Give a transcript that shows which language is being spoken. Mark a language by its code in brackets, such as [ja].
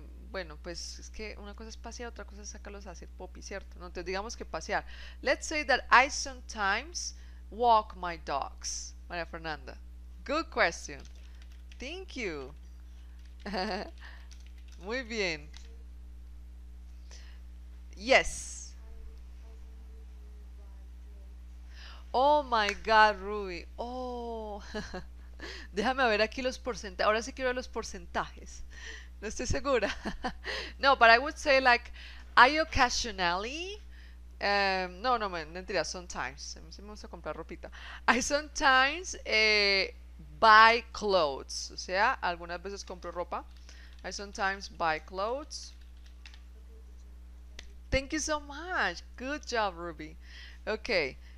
[es] Bueno, pues es que una cosa es pasear, otra cosa es sacarlos a hacer popi, ¿cierto? No, entonces, digamos que pasear. [en] Let's say that I sometimes walk my dogs, María Fernanda. Good question. Thank you. [es] Muy bien. [en] Yes. Oh my God, [es] Ruby. Oh. Déjame ver aquí los porcentajes. Ahora sí quiero ver los porcentajes. No estoy segura. [en] No, but I would say like, I occasionally. [es] No, no, mentira, sometimes. A mí sí me gusta comprar ropita. [en] I sometimes buy clothes. [es] O sea, algunas veces compro ropa. [en] I sometimes buy clothes. Thank you so much. Good job, Ruby. Ok.